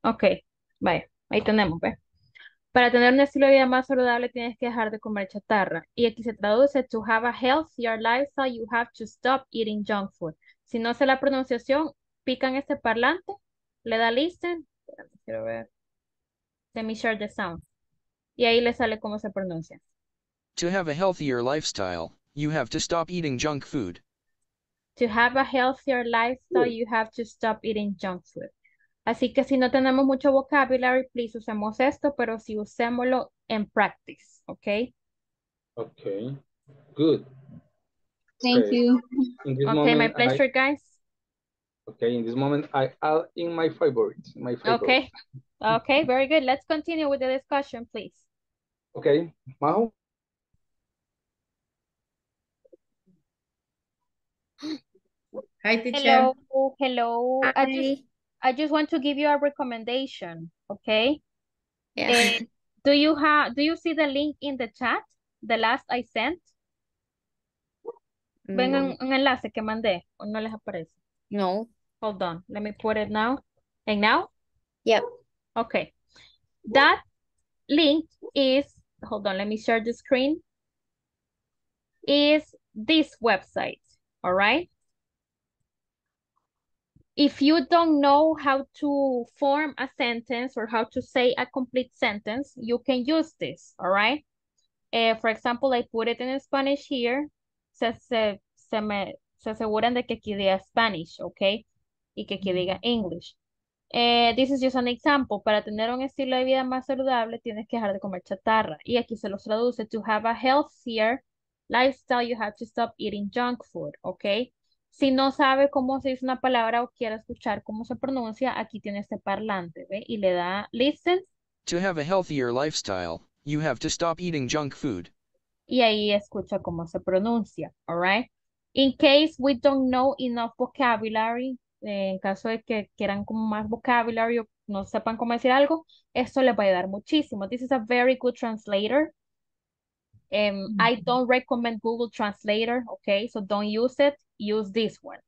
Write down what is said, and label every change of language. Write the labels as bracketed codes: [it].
[es] Okay, vaya, ahí tenemos, ¿ves? Para tener un estilo de vida más saludable, tienes que dejar de comer chatarra. Y aquí se traduce, [en] to have a healthier lifestyle, you have to stop eating junk food. [es] Si no sé la pronunciación, pican este parlante, le da listen. Quiero ver. [en] Let me share the sound. [es] Y ahí le sale cómo se pronuncia. [en] To have a healthier lifestyle, you have to stop eating junk food. To have a healthier lifestyle, you have to stop eating junk food. [es] Así que si no tenemos mucho vocabulary, please usemos esto, pero sí usémoslo en practice, ¿ok? [en] Ok, good. Thank you. Okay, my pleasure, guys. Okay, in this moment, I add in my favorites. Okay, okay, very good. Let's continue with the discussion, please. Okay, Mahou? Hi, teacher. Hello. I just want to give you a recommendation, okay? Yeah. Do you see the link in the chat? The last I sent? No. [es] Ven un enlace que mandé, o no les aparece. No. [en] Hold on, let me put it now. And now? Yep. Okay. That link is, hold on, let me share the screen, is this website, all right? If you don't know how to form a sentence or how to say a complete sentence, you can use this, all right? For example, I put it in Spanish here. [es] Se aseguran de que aquí diga Spanish, okay? Y que aquí diga English. [en] This is just an example. [es] Para tener un estilo de vida más saludable, tienes que dejar de comer chatarra. Y aquí se los traduce. [en] To have a healthier lifestyle, you have to stop eating junk food, okay? [es] Si no sabe cómo se dice una palabra o quiere escuchar cómo se pronuncia, aquí tiene este parlante, ¿ve? Y le da listen. [en] To have a healthier lifestyle, you have to stop eating junk food. [es] Y ahí escucha cómo se pronuncia, [en] all right? In case we don't know enough vocabulary, [es] en caso de que quieran como más vocabulario, no sepan cómo decir algo, esto les va a ayudar muchísimo. [en] This is a very good translator. I don't recommend Google Translator, okay? So don't use it, use this one.